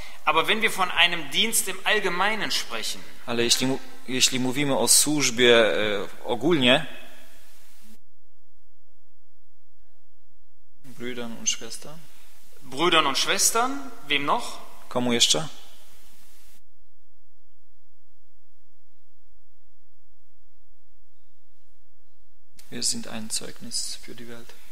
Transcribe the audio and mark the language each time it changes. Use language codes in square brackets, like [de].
[de] Aber wenn wir von einem Dienst im Allgemeinen sprechen. [pl] Ale jeśli mówimy o służbie ogólnie. [de] Brüdern und Schwestern. Brüdern und Schwestern, wem noch? [pl] Komu jeszcze? [de] Wir sind ein Zeugnis für die Welt.